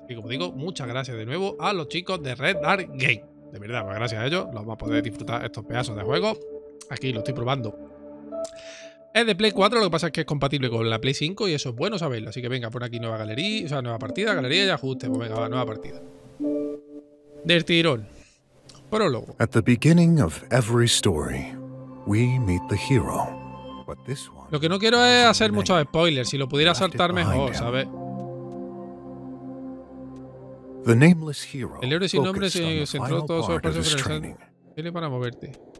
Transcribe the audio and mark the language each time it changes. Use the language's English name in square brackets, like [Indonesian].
[Spanish] Y como digo, muchas gracias de nuevo a los chicos de Red Art Game. De verdad, pues gracias a ellos los vamos a poder disfrutar estos pedazos de juego. Aquí lo estoy probando. Es de Play 4, lo que pasa es que es compatible con la Play 5 y eso es bueno saberlo. Así que venga, pon aquí nueva galería, o sea, nueva partida, galería y ajuste. Pues venga, va, nueva partida. Del tirón. Prólogo. [English] At the beginning of every story, we meet the hero. But this one... [Spanish] Lo que no quiero es hacer muchos spoilers, si lo pudiera saltar mejor, ¿sabes? [English] The nameless hero. [Spanish] El héroe sin nombre se centró todo su esfuerzo en el training. Dile para moverte.